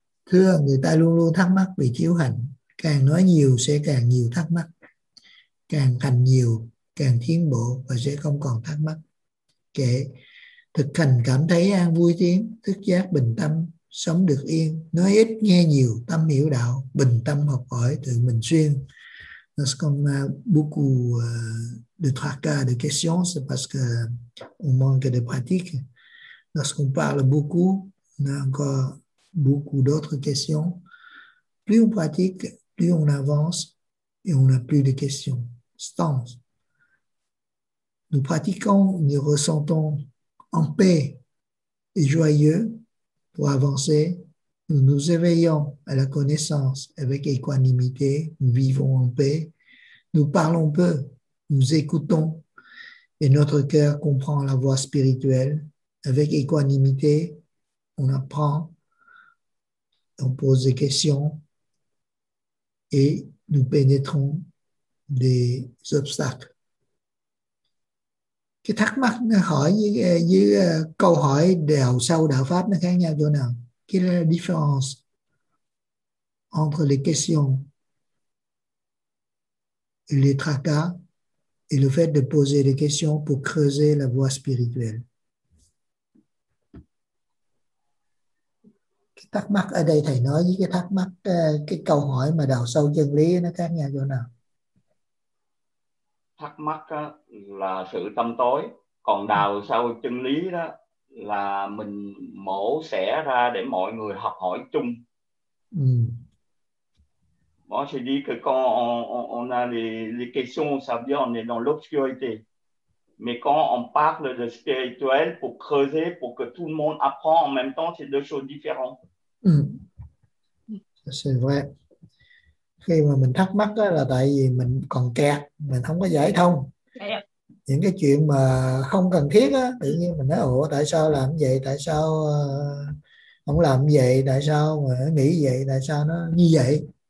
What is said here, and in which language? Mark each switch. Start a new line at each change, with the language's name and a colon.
Vietnamese: Thưa, người ta luôn luôn thắc mắc vì thiếu hành. Càng nói nhiều sẽ càng nhiều thắc mắc. Càng hành nhiều, càng tiến bộ và sẽ không còn thắc mắc. Kể, thực hành cảm thấy an vui tiến, thức giác bình tâm, sống được yên. Nói ít, nghe nhiều, tâm hiểu đạo, bình tâm học hỏi, tự mình xuyên.
French: Nous avons beaucoup de tracas, de questions, c'est parce qu'on manque de pratique. Lorsqu'on parle beaucoup, on a encore beaucoup d'autres questions. Plus on pratique, plus on avance et on n'a plus de questions. Stance. Nous pratiquons, nous ressentons en paix et joyeux pour avancer. Nous nous éveillons à la connaissance avec équanimité. Nous vivons en paix. Nous parlons peu, nous écoutons et notre cœur comprend la voie spirituelle. Avec équanimité, on apprend, on pose des questions et nous pénétrons des obstacles.
Vietnamese: Cái thắc mắc hỏi với câu hỏi đào sâu đạo pháp nó khác nhau chỗ nào?
French: Quelle est la différence entre les questions? Les tracas et le fait de poser des questions pour creuser la voie spirituelle.
Vietnamese: Cái thắc mắc ở đây thầy nói với cái thắc mắc cái câu hỏi mà đào sâu chân lý nó khác nhau chỗ nào? Thắc mắc là sự tâm tối, còn đào sâu chân lý đó là mình mổ xẻ ra để mọi người học hỏi chung.
French: Moi, je dis que quand on a les questions, ça vient, on est dans l'obscurité. Mais quand on parle de spirituel pour creuser, pour que tout le monde apprend en même temps, c'est deux choses différentes. C'est vrai.
Vietnamese: Khi mà mình thắc mắc là tại vì mình còn kẹt, mình không có giải thông. Những cái chuyện mà không cần thiết, tự nhiên mình nói, ủa, tại sao làm vậy, tại sao không làm vậy, tại sao mà nghĩ vậy, tại sao nó như vậy.